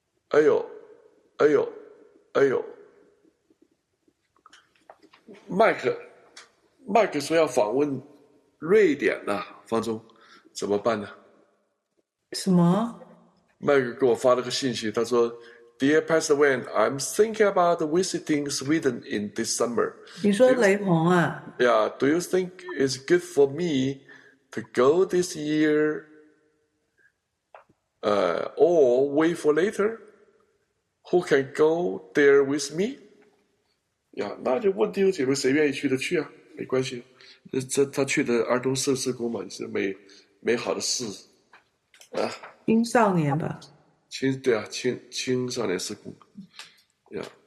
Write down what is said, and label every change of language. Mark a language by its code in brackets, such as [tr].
[zh] 哎呦，哎呦，哎呦！麦克说要访问瑞典呐、啊，方中，怎么办呢？什么？麦克给我发了个信息，他说。 [en] Dear Pastor Wayne, I'm thinking about visiting Sweden in December. [zh] 你说雷鹏啊？ [en] Yeah, do you think it's good for me to go this year, or wait for later? Who can go there with me? [zh] Yeah, 那就问弟兄姐妹谁愿意去的去啊，没关系。这他去的儿童圣事工嘛，是美好的事啊。青少年吧。对啊，青少年事工，对、